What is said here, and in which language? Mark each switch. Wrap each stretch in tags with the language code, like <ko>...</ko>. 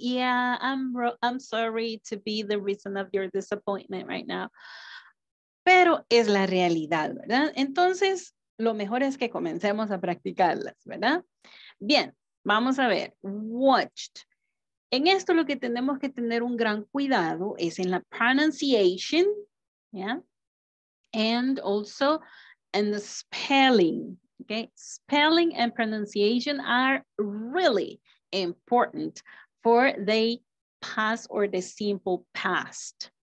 <en>Yeah, I'm sorry to be the reason of your disappointment right now.</en> <es>Pero es la realidad, ¿verdad? Entonces, lo mejor es que comencemos a practicarlas, ¿verdad? Bien, vamos a ver. Watched. En esto lo que tenemos que tener un gran cuidado es en la pronunciation, ¿ya?</es> <en>And also in the spelling, ¿okay? Spelling and pronunciation are really important for the past or the simple past.</en>